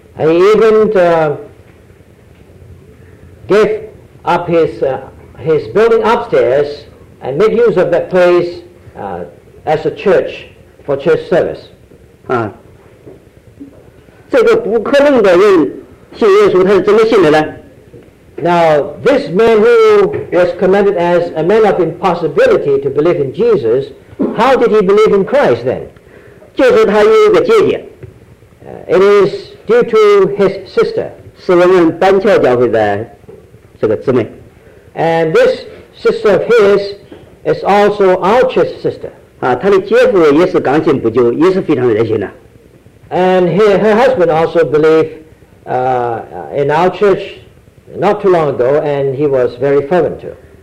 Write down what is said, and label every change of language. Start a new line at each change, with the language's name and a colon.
English: And he even gave up his building upstairs and made use of that place as a church for church service.
Chinese: 这个不可能的人信耶稣，他是怎么信的呢？
English: Now, this man who was commended as a man of impossibility to believe in Jesus, how did he believe in Christ then?
Chinese: 就是他有一个姐姐。
English: It is due to his sister.
Chinese: 是我们单桥教会的这个姊妹。
English: And this sister of his is also our church sister.
Chinese: 她的姐夫也是刚信不久，也是非常热心的。
English: And her husband also believed in our church not too long ago, and he was very fervent too.